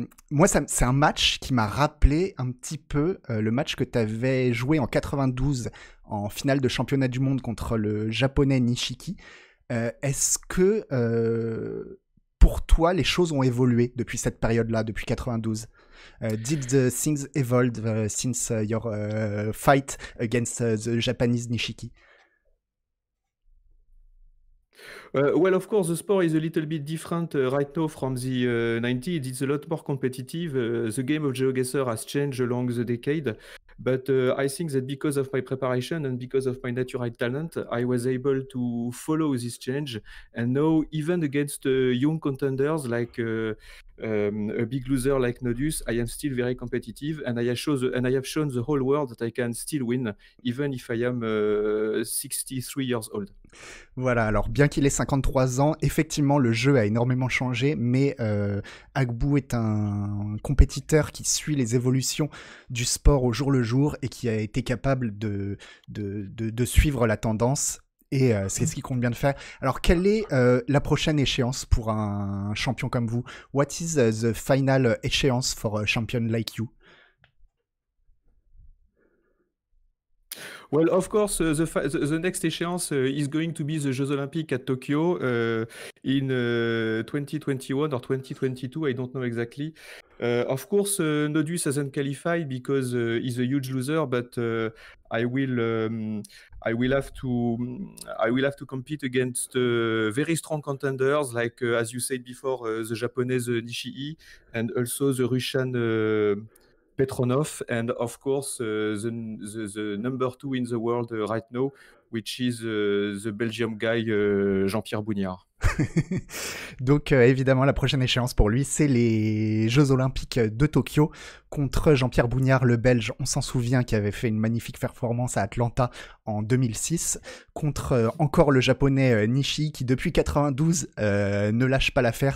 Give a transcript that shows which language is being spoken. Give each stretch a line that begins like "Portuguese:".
French: Moi, c'est un match qui m'a rappelé un petit peu le match que tu avais joué en 92 en finale de championnat du monde contre le japonais Nishiki. Est-ce que pour toi les choses ont évolué depuis cette période-là, depuis 92?
English: Did the things evolve since your fight against the Japanese Nishiki? Well, of course, the sport is a little bit different right now from the 90s. It's a lot more competitive. The game of GeoGuessr has changed along the decade. But I think that because of my preparation and because of my natural talent, I was able to follow this change. And now, even against young contenders like a big loser like Nodus, I am still very competitive. And I have shown the whole world that I can still win, even if I am 63 years old.
French: Voilà, alors bien qu'il ait 53 ans, effectivement le jeu a énormément changé, mais Agbu est un compétiteur qui suit les évolutions du sport au jour le jour et qui a été capable de suivre la tendance, et c'est ce qu'il compte bien de faire. Alors quelle est la prochaine échéance pour un champion comme vous?
English: What is the final échéance for a champion like you? Well, of course, the next échéance is going to be the Jeux Olympiques à Tokyo in 2021 or 2022, I don't know exactly. Of course, Nodus hasn't qualified because he's a huge loser, but I will have to compete against very strong contenders like, as you said before, the Japanese Nishii and also the Russian Petronov, and of course the number two in the world right now, which is the Belgium guy Jean-Pierre Bougnard.
French: Donc, évidemment, la prochaine échéance pour lui, c'est les Jeux Olympiques de Tokyo contre Jean-Pierre Bougnard, le Belge. On s'en souvient qu'il avait fait une magnifique performance à Atlanta en 2006. Contre encore le japonais Nishii, qui depuis 92 ne lâche pas l'affaire.